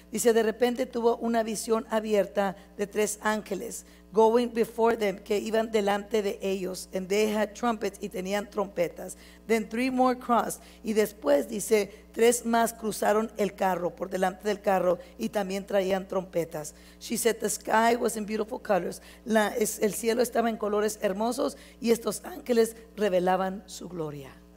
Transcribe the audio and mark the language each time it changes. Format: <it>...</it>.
<es>Dice, de repente tuvo una visión abierta de tres ángeles</es> <en>going before them,</en> <es>que iban delante de ellos.</es> <en>And they had trumpets,</en> <es>y tenían trompetas.</es> <en>Then three more crossed.</en> <es>Y después, dice, tres más cruzaron el carro, por delante del carro, y también traían trompetas.</es> <en>She said, the sky was in beautiful colors.</en> <es>El cielo estaba en colores hermosos, y estos ángeles revelaban su gloria.</es>